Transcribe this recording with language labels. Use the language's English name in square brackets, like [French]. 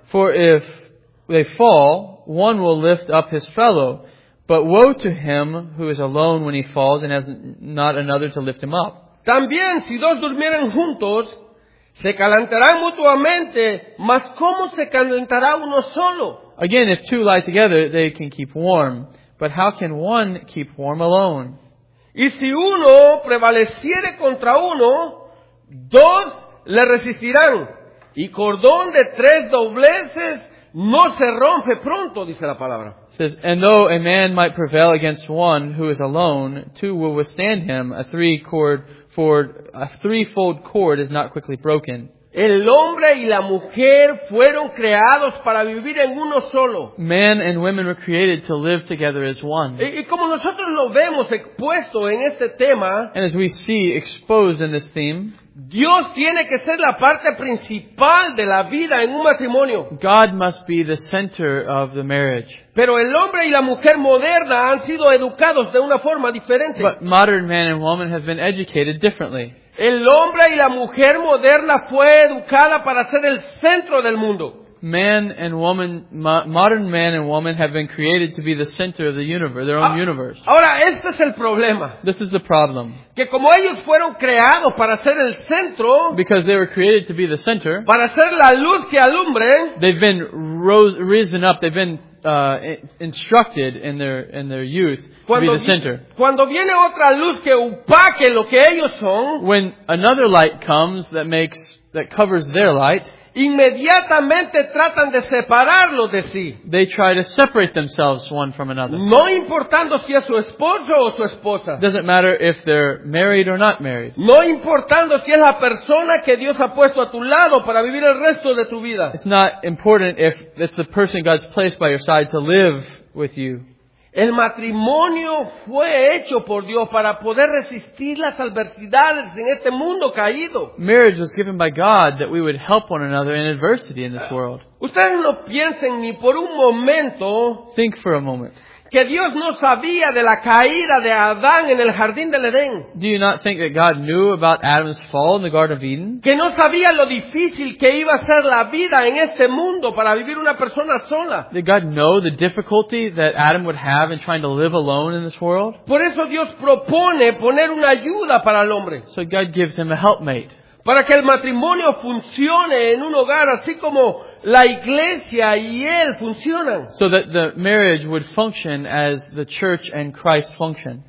[English] For if they fall, one will lift up his fellow, but woe to him who is alone when he falls and has not another to lift him up. [Spanish] También si dos durmieren juntos, se calentarán mutuamente, mas ¿cómo se calentará uno solo? [English] Again, if two lie together, they can keep warm. But how can one keep warm alone? [Spanish] Y si uno prevaleciere contra uno, dos le resistirán. Y cordón de tres dobleces no se rompe pronto, dice la palabra. [English] It says, and though a man might prevail against one who is alone, two will withstand him. A threefold cord is not quickly broken. [Spanish] El hombre y la mujer fueron creados para vivir en uno solo. [English] Man and women were created to live together as one. [Spanish] Y como nosotros lo vemos expuesto en este tema, [English] and as we see exposed in this theme, [Spanish] Dios tiene que ser la parte principal de la vida en un matrimonio. [English] God must be the center of the marriage. [Spanish] Pero el hombre y la mujer moderna han sido educados de una forma diferente. [English] But modern man and woman have been educated differently. [Spanish] El hombre y la mujer moderna fue educada para ser el centro del mundo. [English] Man and woman, modern man and woman have been created to be the center of the universe, their own universe. [Spanish] Ahora, este es el problema. [English] This is the problem. [Spanish] Que como ellos fueron creados para ser el centro, [English] because they were created to be the center, [Spanish] para ser la luz que alumbre, [English] they've been risen up, they've been instructed in their youth [Spanish] cuando [English] to be the center. [Spanish] Cuando viene otra luz que opaque lo que ellos son, [English] when another light comes that covers their light, [Spanish] inmediatamente tratan de separarlo de sí. [English] They try to separate themselves one from another. [Spanish] No importando si es su esposo o su esposa. [English] Doesn't matter if they're married or not married. [Spanish] No importando si es la persona que Dios ha puesto a tu lado para vivir el resto de tu vida. [English] It's not important if it's the person God's placed by your side to live with you. [Spanish] El matrimonio fue hecho por Dios para poder resistir las adversidades en este mundo caído. [English] Marriage was given by God that we would help one another in adversity in this world. [Spanish] Ustedes no piensen ni por un momento. [English] Think for a moment. [Spanish] Que Dios no sabía de la caída de Adán en el jardín del Edén. [English] Do you not think that God knew about Adam's fall in the Garden of Eden? [Spanish] Que no sabía lo difícil que iba a ser la vida en este mundo para vivir una persona sola. [English] Did God know the difficulty that Adam would have in trying to live alone in this world? [Spanish] Por eso Dios propone poner una ayuda para el hombre. [English] So God gives him a helpmate. [Spanish] Para que el matrimonio funcione en un hogar así como la iglesia y él funcionan. [English] So that the marriage would function as the church and Christ function.